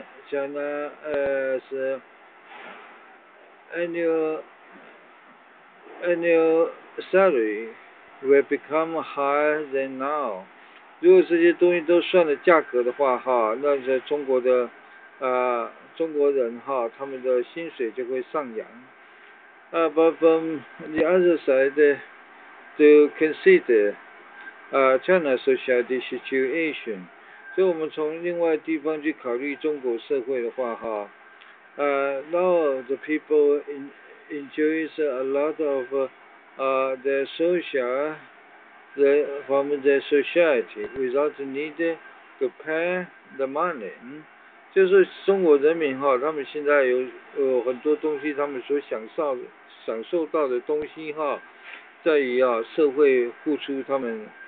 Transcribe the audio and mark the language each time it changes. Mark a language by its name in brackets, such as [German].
[English] China is annual salary will become higher than now. [Chinese] 如果这些东西都算了价格的话，哈，那在中国的中国人哈，他们的薪水就会上扬。 [English] But from the other side, to consider China's society situation. [Chinese] 所以我们从另外地方去考虑中国社会的话哈， [English] now the people enjoys a lot of their social from their society without need to pay the money， [Chinese] 就是中国人民哈，他们现在有很多东西，他们所享受到的东西哈，在于啊社会付出他们。